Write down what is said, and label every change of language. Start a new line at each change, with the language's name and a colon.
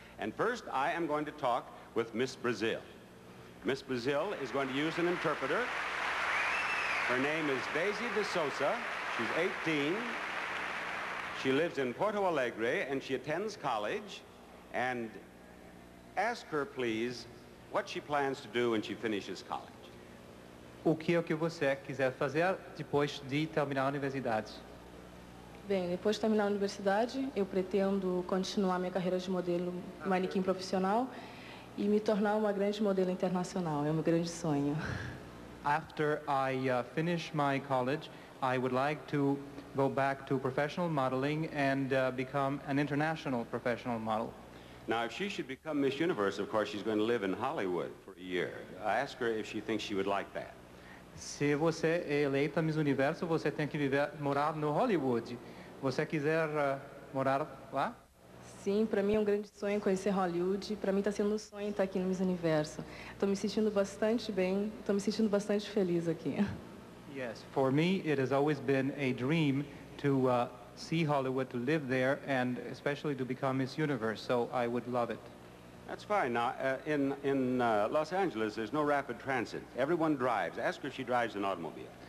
English: And first, I am going to talk with Miss Brazil. Miss Brazil is going to use an interpreter. Her name is Daisy De Sousa. She's 18. She lives in Porto Alegre, and she attends college. And ask her, please, what she plans to do when she finishes college.
Portuguese: O que é que você quiser fazer depois de terminar a universidade? Bem, depois de terminar a universidade, eu pretendo continuar minha carreira de modelo manequim profissional e me tornar uma grande modelo internacional. É um grande sonho.
English: After I finish my college, I would like to go back to professional modeling and become an international professional model. Now, if she should become Miss Universe, of course, she's going to live in Hollywood for a year. I ask her if she thinks she would like that.
Portuguese: Se você é eleita Miss Universo, você tem que morar no Hollywood. Você quiser morar lá? Sim, para mim é um grande sonho conhecer Hollywood. Para mim está sendo um sonho estar aqui no Miss Universo. Estou me sentindo bastante bem, estou me sentindo bastante feliz aqui.
English: Yes, for me it has always been a dream to see Hollywood, to live there, and especially to become Miss Universe, so I would love it. That's fine. Now, Los Angeles, there's no rapid transit. Everyone drives. Ask her if she drives an automobile.